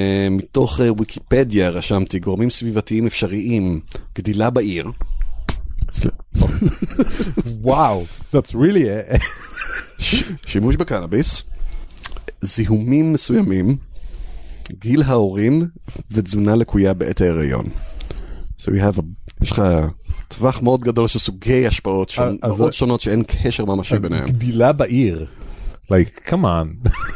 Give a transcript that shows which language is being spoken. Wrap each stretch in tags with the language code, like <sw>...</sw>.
<he>מתוך וויקיפדיה רשמתי גורמים סביבתיים אפשריים, גדילה בעיר.</he> <en>וואו, that's really it.</en> <he>שימוש בקנאביס, זיהומים מסוימים, גיל ההורים ותזונה לקויה בעת ההיריון.</he> <en>So we have a,</en> <he>יש לך טווח מאוד גדול של סוגי השפעות מאוד שונות שאין קשר ממשי ביניהם. גדילה בעיר.</he> <en>Like, come on.</en>